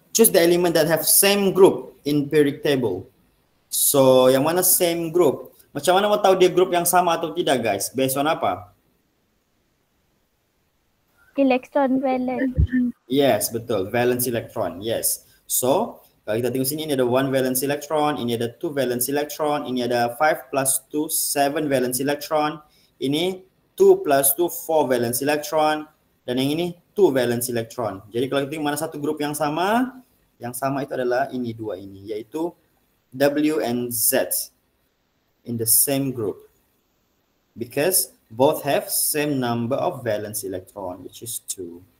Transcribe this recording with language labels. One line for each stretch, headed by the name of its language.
English: Choose the element that have same group in periodic table. So
Malay: yang mana
English: same group.
Malay: Macam mana mau tahu dia group yang sama atau tidak guys? Based on apa?
English: Electron valence.
Malay: Yes, betul. Valence electron. Yes. So. Kalau kita tengok sini, ini ada 1 valence electron, ini ada 2 valence electron, ini ada 5 plus 2, 7 valence electron, ini 2 plus 2, 4 valence electron, dan yang ini 2 valence electron. Jadi kalau kita tengok mana satu grup yang sama itu adalah ini dua ini, yaitu
English: W and Z in the same group. Because both have same number of valence electron, which is 2.